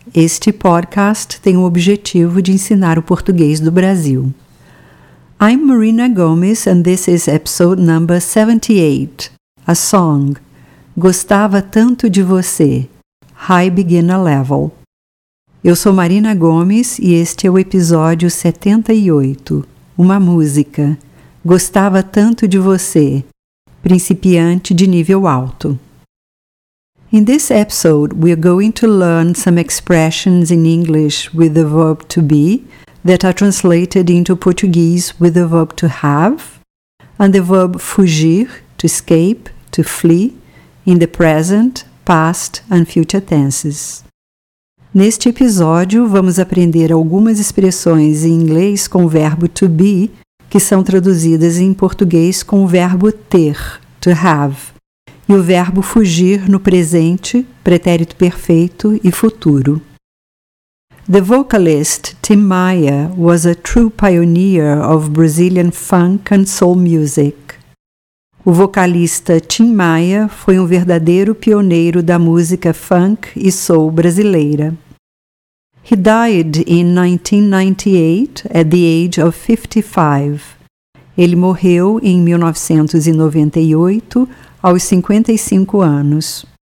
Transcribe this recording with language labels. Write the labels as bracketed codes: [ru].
[pt] Este podcast tem o objetivo de ensinar o português do Brasil. [en] I'm Marina Gomes and this is episode number 78. A song. Gostava tanto de você. High Beginner Level. [pt] Eu sou Marina Gomes e este é o episódio 78. Uma música. Gostava tanto de você. Principiante de nível alto. [en] In this episode, we are going to learn some expressions in English with the verb to be that are translated into Portuguese with the verb to have and the verb fugir, to escape, to flee, in the present, past and future tenses. [pt] Neste episódio, vamos aprender algumas expressões em inglês com o verbo to be que são traduzidas em português com o verbo ter, to have, e o verbo fugir no presente, pretérito perfeito e futuro. [en] The vocalist Tim Maia was a true pioneer of Brazilian funk and soul music. [pt] O vocalista Tim Maia foi um verdadeiro pioneiro da música funk e soul brasileira. [en] He died in 1998 at the age of 55. [pt] Ele morreu em 1998 aos 55 anos.